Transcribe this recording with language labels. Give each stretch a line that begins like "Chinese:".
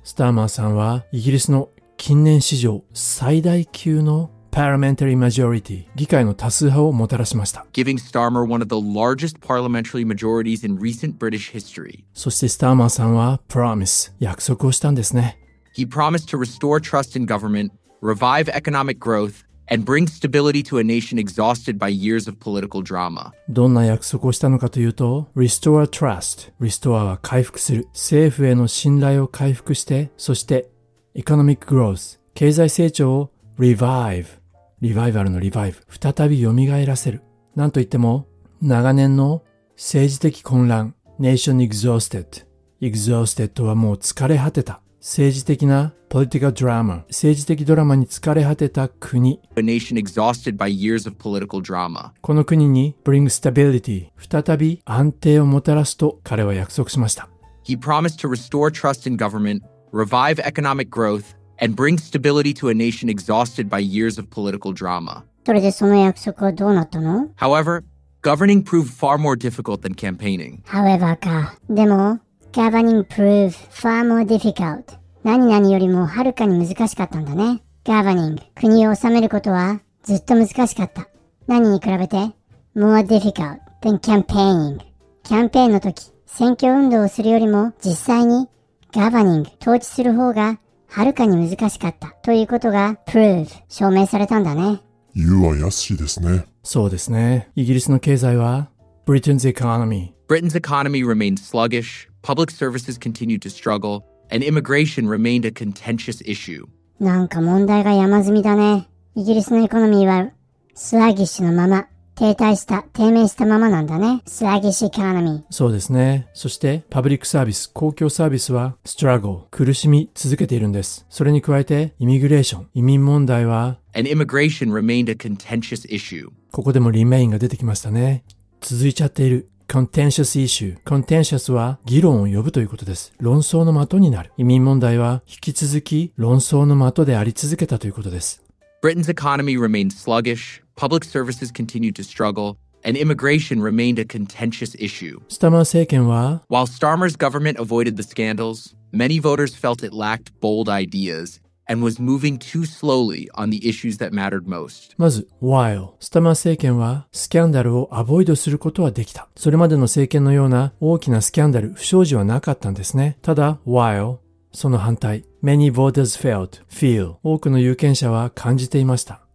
Japanese: スターマーさんは、イギリスの近年史上最大級の
English: Parliamentary majority、
Japanese: 議会の多数派をもたらしました。
English: Giving Starmer one of the largest parliamentary majorities in recent British history.
Japanese: そしてスターマーさんは promise、 約束をしたんですね。
English: He promised to restore trust in government, revive economic growth, and bring stability to a nation exhausted by years of political drama.
Japanese: どんな約束をしたのかというと、
English: restore trust、
Japanese: restore は回復する、政府への信頼を回復して、そして
English: economic growth、
Japanese: 経済成長をRevive、 リバイバルのリバイブ、再び蘇らせる。なんといっても長年の政治的混乱、
English: Nation Exhausted、
Japanese: Exhausted はもう疲れ果てた、政治的な
English: Political Drama、
Japanese: 政治的ドラマに疲れ果てた国、
English: A Nation Exhausted by Years of Political Drama、
Japanese: この国に
English: Bring Stability、
Japanese: 再び安定をもたらすと彼は約束しました。
English: He promised to restore trust in government, revive economic growthAnd bring stability to a nation exhausted by years of political drama.
Japanese: それでその約束はどうなったの?
English: However, governing proved far more difficult than campaigning. However か。
Japanese: でも、
English: governing proved far more difficult.
Japanese: 何々よりもはるかに難しかったんだね。Governing, 国を治めることはずっと難しかった。何に比べて?
English: More difficult than campaigning.
Japanese: キャンペーンの時、選挙運動をするよりも実際に governing, 統治する方がはるかに難しかったということが prove 証明されたんだね。言うは易しですね。そうですね。イギリスの経済は Britain's economy。
English: Britain's economy remained sluggish, public services continued to struggle, and immigration remained a contentious issue.
Japanese: なんか問題が山積みだね。イギリスのエコノミーはスラギッシュのまま、停滞した、低迷したままなんだね。スラギッシュエコノミー。そうですね。そして、パブリックサービス、公共サービスは、ストラグル、苦しみ続けているんです。それに加えて、イミグレーション、移民問題は、
English: An immigration remained a contentious issue.
Japanese: ここでもリメインが出てきましたね。続いちゃっている、
English: contentious issue。
Japanese: contentious は、議論を呼ぶということです。論争の的になる。移民問題は、引き続き、論争の的であり続けたということです。
English: Britain's economy remained sluggish. Public services continued to struggle, and immigration remained a contentious issue.
Japanese: Starmer 政権は、
English: While Starmer's government avoided the scandals, many voters felt it lacked bold ideas and was moving too slowly on the issues that mattered most.
Japanese: まず、while Starmer 政権は、スキャンダルをアボイドすることはできた。それまでの政権のような大きなスキャンダル、不祥事はなかったんですね。ただ、while、その反対、
English: many voters felt,
Japanese: feel、多くの有権者は感じていました。